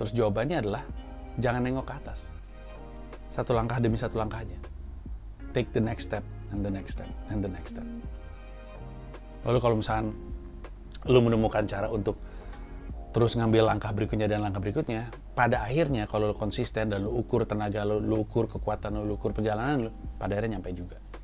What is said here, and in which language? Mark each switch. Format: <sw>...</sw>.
<id>Terus jawabannya adalah, jangan nengok ke atas. Satu langkah demi satu langkah aja.</id> <en>Take the next step, and the next step, and the next step.</en> <id>Lalu kalau misalkan lu menemukan cara untuk terus ngambil langkah berikutnya dan langkah berikutnya, pada akhirnya kalau lu konsisten dan lu ukur tenaga lu ukur kekuatan lu ukur perjalanan lu, pada akhirnya nyampe juga.</id>